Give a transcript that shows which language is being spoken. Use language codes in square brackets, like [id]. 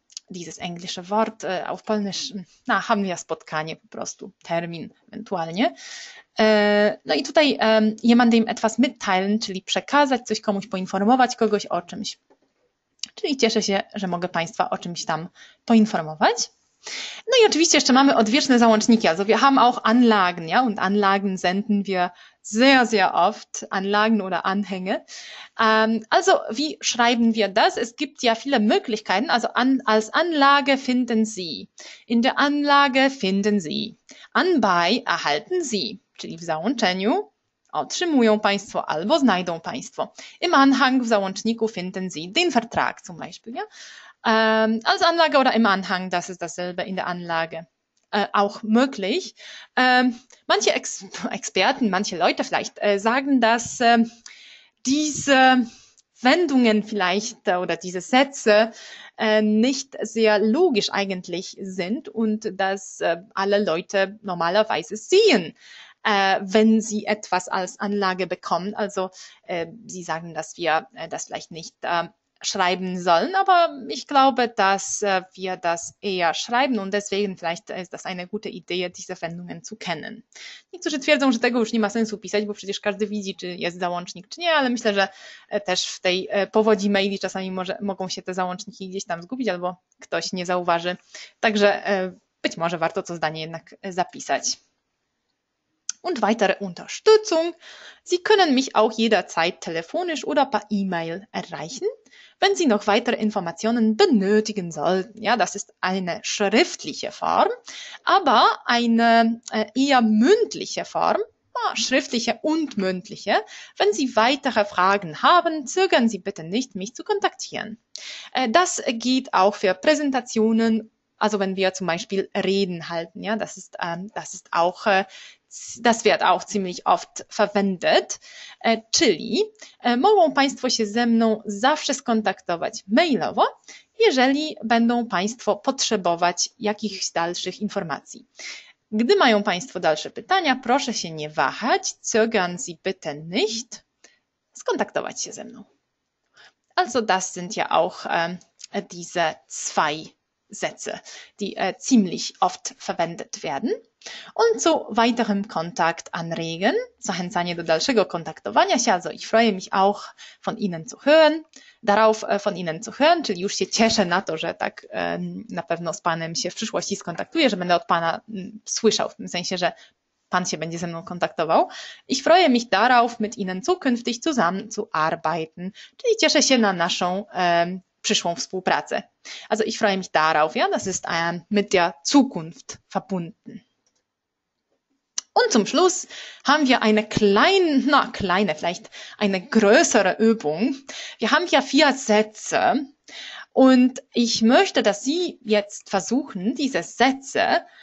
[de] Dieses englische Wort auf Polnisch, na, haben wir [pl] Spotkanie po prostu, [de] Termin ewentualnie. [pl] No i tutaj [de] jemandem etwas mitteilen, [pl] czyli przekazać coś komuś, poinformować kogoś o czymś. Czyli cieszę się, że mogę Państwa o czymś tam poinformować. No i oczywiście jeszcze mamy odwieczne załączniki. [de] Also wir haben auch Anlagen, ja, und Anlagen senden wir sehr, sehr oft. Anlagen oder Anhänge. Also wie schreiben wir das? Es gibt ja viele Möglichkeiten. Also als Anlage finden Sie. In der Anlage finden Sie. Anbei erhalten Sie. [pl] Czyli w załączeniu. Otrzymują Państwo albo znajdą Państwo. [de] Im Anhang, [pl] w załączniku [de] finden Sie den Vertrag zum Beispiel. Ja? Als Anlage oder im Anhang, das ist dasselbe in der Anlage. Auch möglich. Manche Experten, manche Leute vielleicht sagen, dass diese Wendungen vielleicht oder diese Sätze nicht sehr logisch eigentlich sind und dass alle Leute normalerweise sehen, wenn Sie etwas als Anlage bekommen. Also Sie sagen, dass wir das vielleicht nicht schreiben sollen, aber ich glaube, dass wir das eher schreiben und deswegen vielleicht ist das eine gute Idee, diese Wendungen zu kennen. [pl] Niektórzy twierdzą, że tego już nie ma sensu pisać, bo przecież każdy widzi, czy jest załącznik, czy nie, ale myślę, że też w tej powodzi maili czasami mogą się te załączniki gdzieś tam zgubić albo ktoś nie zauważy. Także być może warto to zdanie jednak zapisać. [de] Und weitere Unterstützung. Sie können mich auch jederzeit telefonisch oder per E-Mail erreichen, wenn Sie noch weitere Informationen benötigen sollten. Ja, das ist eine schriftliche Form, aber eine eher mündliche Form, schriftliche und mündliche. Wenn Sie weitere Fragen haben, zögern Sie bitte nicht, mich zu kontaktieren. Das geht auch für Präsentationen, also wenn wir zum Beispiel Reden halten. Ja, das wird auch ziemlich oft verwendet. [pl] Czyli mogą Państwo się ze mną zawsze skontaktować mailowo, jeżeli będą Państwo potrzebować jakichś dalszych informacji. Gdy mają Państwo dalsze pytania, proszę się nie wahać. [de] Zögern Sie bitte nicht, [pl] skontaktować się ze mną. [de] Also, das sind ja auch diese zwei Sätze, die ziemlich oft verwendet werden. Und zu weiterem Kontakt anregen, [pl] zachęcanie do dalszego kontaktowania się. [de] Also ich freue mich auch von Ihnen zu hören, [pl] darauf von Ihnen zu hören, czyli już się cieszę na to, że tak na pewno z Panem się w przyszłości skontaktuję, że będę od Pana słyszał, w tym sensie, że Pan się będzie ze mną kontaktował. [de] Ich freue mich darauf, mit Ihnen zukünftig zusammenzuarbeiten, [pl] czyli cieszę się na naszą przyszłą współpracę. [de] Also ich freue mich darauf, ja, das ist mit der Zukunft verbunden. Und zum Schluss haben wir vielleicht eine größere Übung. Wir haben hier vier Sätze und ich möchte, dass Sie jetzt versuchen, diese Sätze,